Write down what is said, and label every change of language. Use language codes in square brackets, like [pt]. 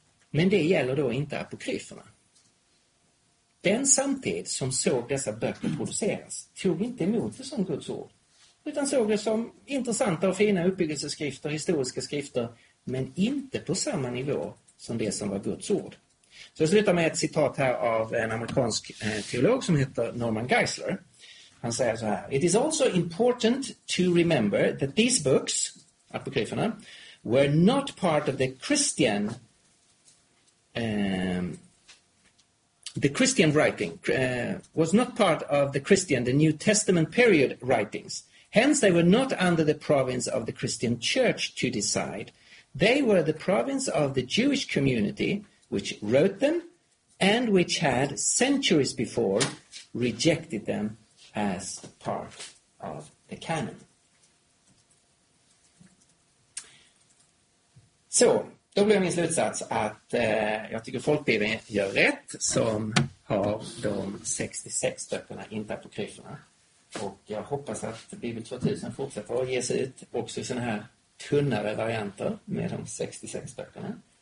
[sv] Men det gäller då inte apokryferna. Den samtid som såg dessa böcker produceras tog inte emot det som Guds ord, utan såg det som intressanta och fina uppbyggelseskrifter, historiska skrifter, men inte på samma nivå som det som var Guds ord. Så jag slutar med ett citat här av en amerikansk teolog som heter Norman Geisler. Han säger så här: [en] "It is also important to remember that these books, apokryferna, were not part of the Christian the New Testament period writings. Hence, they were not under the province of the Christian church to decide. They were the province of the Jewish community which wrote them and which had centuries before rejected them as part of the canon." [sv] So, då blir min slutsats att jag tycker folkbibeln gör rätt som har de 66 böckerna, inte apokryferna. Och jag hoppas att Bibel 2000 fortsätter att ges ut också i såna här tunnare varianter med de 66 böckerna.